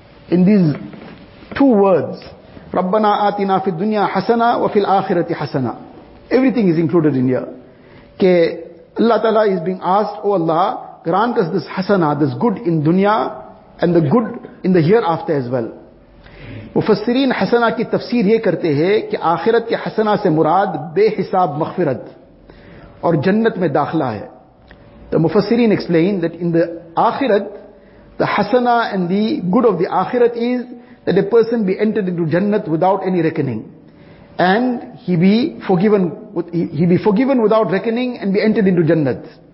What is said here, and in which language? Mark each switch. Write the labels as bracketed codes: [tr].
[en] In these two words, [ar] رَبَّنَا آتِنَا فِي الدُّنْيَا حَسَنَا وَفِي الْآخِرَةِ حَسَنَا, [en] everything is included in here. Okay, Allah Ta'ala is being asked, O Allah, grant us this hasana, this good in dunya, and the good in the hereafter as well. [ur] مفسرین حسنہ کی تفسیر یہ کرتے ہیں کہ آخرت کے حسنہ سے مراد بے حساب مغفرت اور جنت میں داخلہ ہے. [en] The Mufassirin explain that in the Akhirat, the Hasana and the good of the Akhirat is that a person be entered into Jannat without any reckoning. And he be forgiven without reckoning and be entered into Jannat.